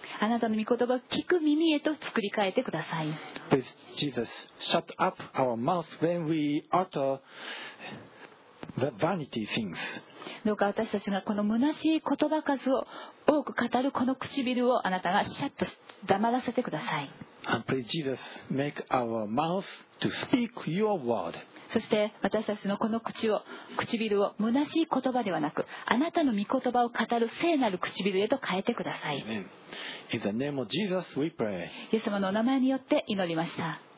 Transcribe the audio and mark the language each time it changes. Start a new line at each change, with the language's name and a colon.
Japanese: あなたの御言葉を聞く耳へと作り変えてください。
English: But Jesus, shut up our mouth when we utter. The vanity things.
Japanese: どうか私たちがこの虚しい言葉数を多く語るこの唇をあなたがシャッと黙らせてください。
English: And please, Jesus, make our mouth to speak your word.
Japanese: そして私たちのこの唇を虚しい言葉ではなくあなたの御言葉を語る聖なる唇へと変えてください。
English: In the name of Jesus, we pray.
Japanese: イエス様のお名前によって祈りました。